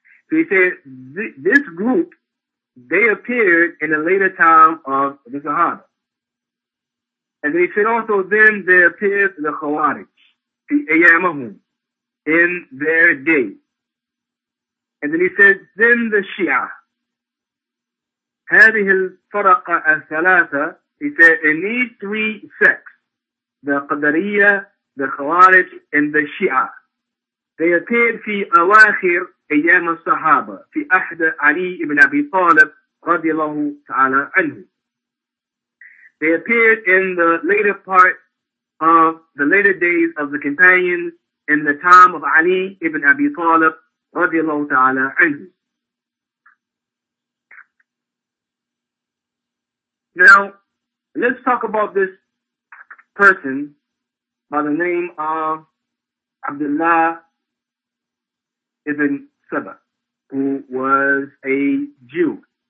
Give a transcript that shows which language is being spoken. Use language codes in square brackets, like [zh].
[en] So he said, this group, they appeared in a later time of the Sahaba. And then he said also, then there appeared the Khawarij, the Ayyamahum, in their day. And then he said, then the Shia. [ar] هذه الفرقة الثلاثة, [en] he said, in these three sects, the Qadariyya, the Khawarij, and the Shia, they appeared [ar] في أواخر أيام الصحابة في أحد علي بن أبي طالب رضي الله تعالى عنه. [en] They appeared in the later part of the later days of the companions in the time of Ali ibn Abi Talib radiallahu ta'ala anhu. Now, let's talk about this person by the name of Abdullah ibn Saba, who was a Jew.